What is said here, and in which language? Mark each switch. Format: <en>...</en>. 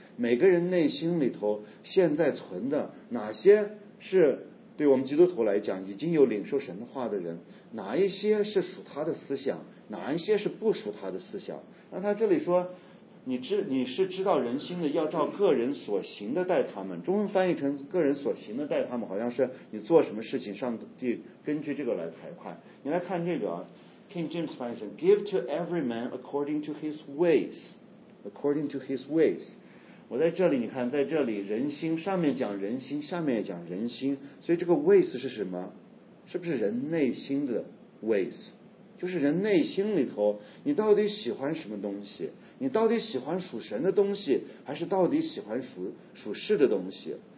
<zh>每个人内心里头现在存的哪些是对我们基督徒来讲已经有领受神的话的人，哪一些是属他的思想，哪一些是不属他的思想。那他这里说你是知道人心的，要照个人所行的待他们，中文翻译成个人所行的待他们，好像是你做什么事情上帝根据这个来裁判。你来看这个</zh> <en>King James</en> <zh>翻译成</zh> <en>Give to every man according to his ways， according to his ways。</en> <zh>我在这里你看，在这里人心上面讲人心，下面也讲人心，所以这个 ways 是什么？是不是人内心的 ways？ 就是人内心里头你到底喜欢什么东西，你到底喜欢属神的东西，还是到底喜欢属世的东西。</zh>